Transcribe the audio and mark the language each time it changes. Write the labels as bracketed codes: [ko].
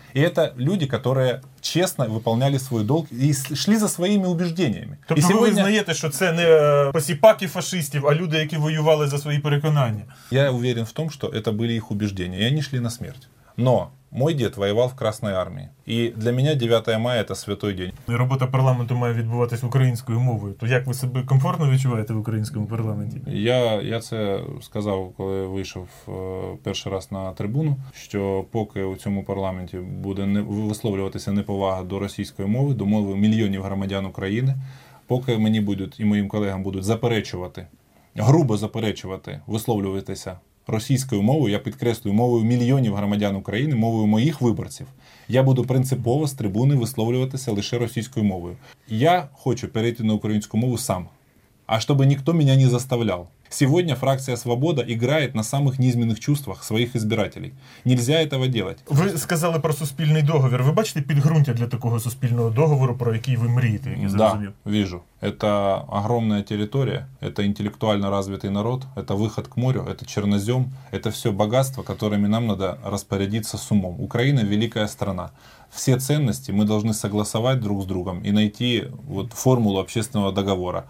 [ru] И это люди, которые честно выполняли свой долг и шли за своими убеждениями. То есть сегодня... вы знаете, что это не посипаки фашистов, а люди, которые воювали за свои переконания? Я уверен в том, что это были их убеждения, и они шли на смерть. Но мой дед воевал в Красной Армии. И для меня 9 мая – это святой день. Работа парламента [uk] має відбуватись українською мовою. То як ви себе комфортно відчуваєте в українському парламенті? Я це сказав, коли вийшов перший раз на трибуну, що поки у цьому парламенті буде висловлюватися неповага до російської мови, до мови мільйонів громадян України, поки мені будуть і моїм колегам будуть заперечувати, грубо заперечувати, висловлюватися російською мовою, я підкреслюю, мовою мільйонів громадян України, мовою моїх виборців, я буду принципово з трибуни висловлюватися лише російською мовою. Я хочу перейти на українську мову сам, а щоб ніхто мене не заставляв. Сьогодні фракція «Свобода» грає [ru] на самих низменних чувствах [uk] своїх избирателей. [ru] Нельзя этого делать. [uk] Ви сказали про суспільний договір. Ви бачите підґрунтя для такого суспільного договору, про який ви мрієте? [ru] Так, да, вижу. Это огромная территория, это интеллектуально развитый народ, это выход к морю, это чернозем, это все богатство, которыми нам надо распорядиться с умом. Украина – великая страна. Все ценности мы должны согласовать друг с другом и найти вот формулу общественного договора.